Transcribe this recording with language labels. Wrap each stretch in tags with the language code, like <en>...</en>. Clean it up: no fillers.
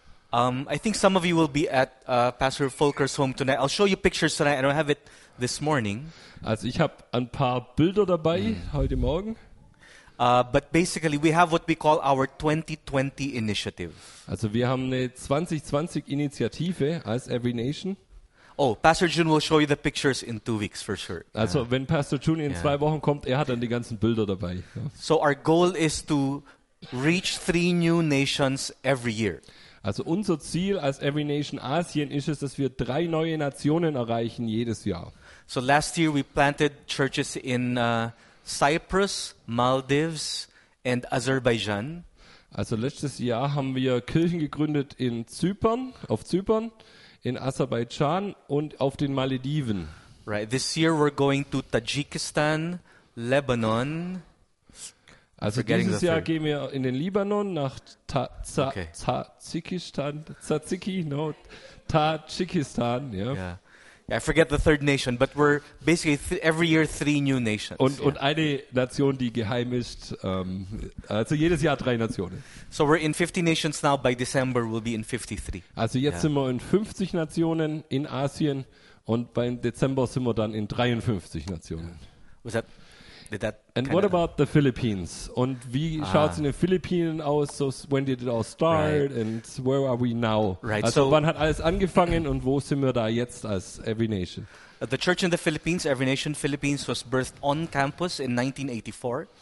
<en>I think some of you will be at Pastor Volker's home tonight. I'll show you pictures tonight. I don't have it this morning.</en> <de>Also ich habe ein paar Bilder dabei heute Morgen.</de> <en>But basically we have what we call our 2020 initiative.</en> <de>Also wir haben eine 2020 Initiative als Every Nation.</de> <en>Oh, Pastor June will show you the pictures in 2 weeks for sure.</en> <de>Also wenn Pastor June in 2 Wochen kommt, er hat dann die ganzen Bilder dabei.</de> <en>So our goal is to reach 3 new nations every year.</en> <de>Also unser Ziel als Every Nation Asien ist es, dass wir 3 neue Nationen erreichen jedes Jahr.</de> <en>So last year we planted churches in Cyprus, Maldives and Azerbaijan.</en> <de>Also letztes Jahr haben wir Kirchen gegründet in Zypern, auf Zypern, in Aserbaidschan und auf den Malediven.</de> <en>Right, this year we're going to Tajikistan, Lebanon.</en> <de>Also dieses Jahr gehen wir in den Libanon, nach Tajikistan, ja.</de> <en>I forget the third nation, but we're basically every year 3 new nations.</en> <de>Und eine Nation, die geheim ist, also jedes Jahr 3 Nationen.</de> <en>So we're in 50 nations now, by December we'll be in 53.</en> <de>Also jetzt sind wir in 50 Nationen in Asien, und beim Dezember sind wir dann in 53 Nationen.</de> <en>What about the Philippines?</en> <de>Und wie schaut's in den Philippinen aus?</de> <en>So when did it all start and where are we now? Right.</en> <de>Also wann hat alles angefangen und wo sind wir da jetzt als Every Nation?</de> <en>The church in the Philippines, Every Nation Philippines, was birthed on campus in 1984.</en>